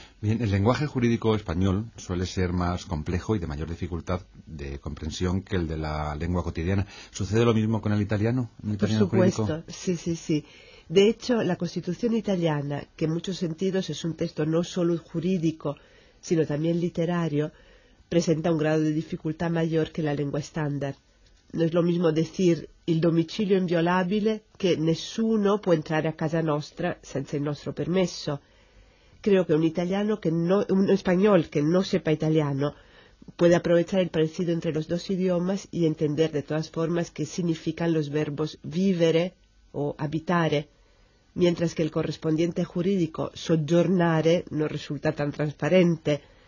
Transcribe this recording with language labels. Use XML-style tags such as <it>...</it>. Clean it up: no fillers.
<es>Bien, el lenguaje jurídico español suele ser más complejo y de mayor dificultad de comprensión que el de la lengua cotidiana. ¿Sucede lo mismo con el italiano? Por supuesto, sí. De hecho, la Constitución italiana, que en muchos sentidos es un texto no solo jurídico, sino también literario, presenta un grado de dificultad mayor que la lengua estándar. no es lo mismo decir</es> <it>il domicilio inviolabile che nessuno può entrare a casa nostra senza il nostro permesso.</it> <es>Creo que un italiano que no, un español que no sepa italiano puede aprovechar el parecido entre los dos idiomas y entender de todas formas qué significan los verbos vivere o habitare, mientras que el correspondiente jurídico soggiornare no resulta tan transparente.</es>